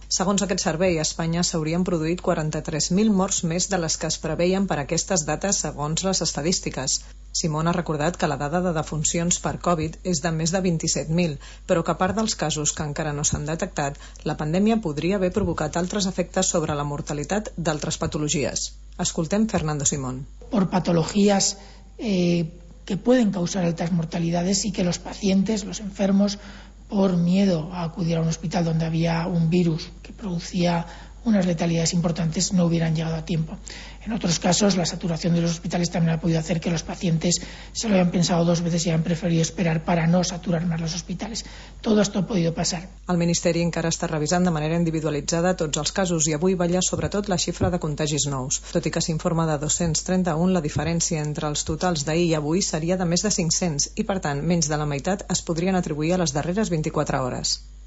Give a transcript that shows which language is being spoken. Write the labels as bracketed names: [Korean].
[Catalan] Segons aquest servei, a Espanya s'haurien produït 43.000 morts més de les que es preveien per aquestes dates segons les estadístiques. Simón ha recordat que la dada de defuncions per Covid és de més de 27.000, però que a part dels casos que encara no s'han detectat, la pandèmia podria haver provocat altres efectes sobre la mortalitat d'altres patologies. Escoltem Fernando Simón. [Spanish] Por patologías que pueden causar altas mortalidades y que los pacientes, los enfermos, por miedo a acudir a un hospital donde había un virus que producía unas letalidades importantes, no hubieran llegado a tiempo. En otros casos, la saturación de los hospitales también ha podido hacer que los pacientes se lo hayan pensado dos veces y hayan preferido esperar para no saturar más los hospitales. Todo esto ha podido pasar. [Catalan] El Ministeri encara està revisant de manera individualitzada tots els casos i avui balla sobretot la xifra de contagis nous. Tot i que s'informa de 231, la diferència entre els totals d'ahir i avui seria de més de 500 i, per tant, menys de la meitat es podrien atribuir a les darreres 24 hores.